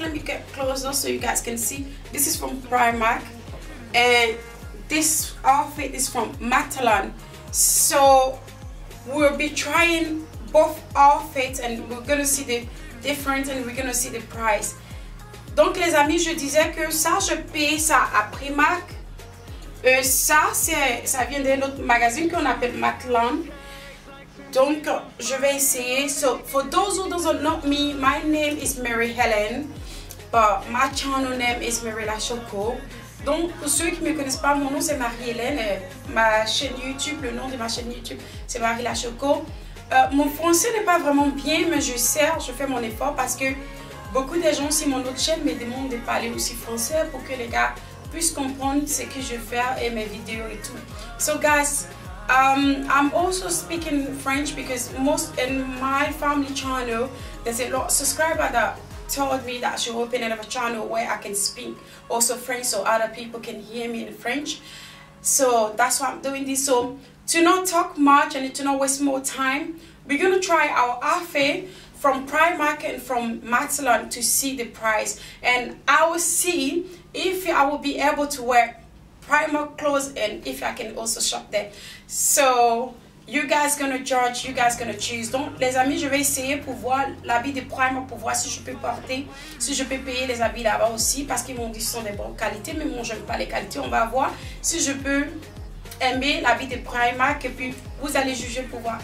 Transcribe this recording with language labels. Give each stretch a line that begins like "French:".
English: Let me get closer so you guys can see. This is from Primark. And this outfit is from Matalan. So, we'll be trying both outfits and we're gonna see the difference and we're gonna see the price.
French: Donc les amis, je disais que ça, je paye ça à Primark. Ça, ça vient d'un autre magazine qu'on appelle Matalan. Donc je vais essayer.
English: So for those who don't know me, my name is Mary Helen, but my channel name is Mary La Choco.
French: Donc, pour ceux qui ne me connaissent pas, mon nom c'est Marie-Hélène. Ma chaîne YouTube, le nom de ma chaîne YouTube, c'est Marie La Choco. Mon français n'est pas vraiment bien, mais je fais mon effort parce que beaucoup de gens sur mon autre chaîne me demandent de parler aussi français pour que les gars puissent comprendre ce que je fais et mes vidéos et tout.
English: So, guys, I'm also speaking French because most in my family channel, there's a lot of subscribers that told me that I should open another channel where I can speak also French so other people can hear me in French. So that's why I'm doing this. So to not talk much and to not waste more time, we're gonna try our afe from Primark and from Matalan to see the price, and I will see if I will be able to wear Primark clothes and if I can also shop there. So You guys gonna judge, you guys gonna choose.
French: Donc, les amis, je vais essayer pour voir l'habit de Primark, pour voir si je peux porter, si je peux payer les habits là-bas aussi, parce qu'ils m'ont dit que ce sont des bonnes qualités, mais moi, je n'aime pas les qualités. On va voir si je peux aimer l'habit de Primark, et puis vous allez juger pour voir.